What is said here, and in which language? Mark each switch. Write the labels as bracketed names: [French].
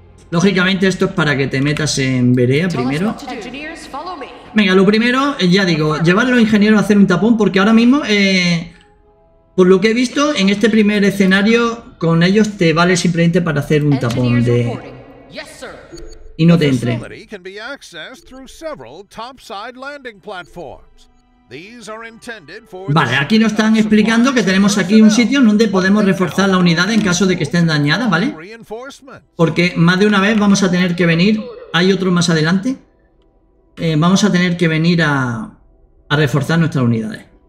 [Spanish] Lógicamente esto es para que te metas en vereda primero. Venga, lo primero, ya digo, llevar a los ingenieros a hacer un tapón. Porque ahora mismo, por lo que he visto, en este primer escenario, con ellos te vale simplemente para hacer un tapón de... Y no te entre. [English] The facility can be accessed through several topside landing platforms. These are intended for... [Spanish] Vale, aquí nos están explicando que tenemos aquí un sitio donde podemos reforzar la unidad en caso de que estén dañadas, ¿vale? Porque más de una vez vamos a tener que venir. Hay otro más adelante. Vamos a tener que venir a reforzar nuestras unidades.